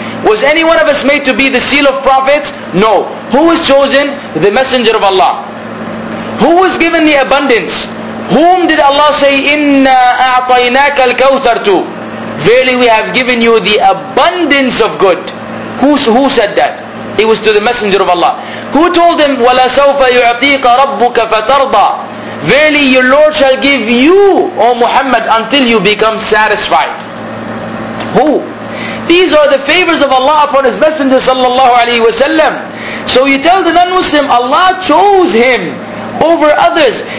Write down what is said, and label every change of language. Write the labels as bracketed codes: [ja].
[en] Was any one of us made to be the seal of prophets? No. Who was chosen? The messenger of Allah. Who was given the abundance? Whom did Allah say, [ar] "Inna a'tainaka al-kawthar tu"? [en] Verily we have given you the abundance of good. Who said that? It was to the messenger of Allah. Who told him, [ar] وَلَا سَوْفَ يُعْطِيكَ رَبُّكَ فَتَرْضَى. [en] Verily your Lord shall give you, O Muhammad, until you become satisfied. Who? These are the favors of Allah upon His messenger sallallahu alayhi wa sallam. So you tell the non-Muslim, Allah chose him over others.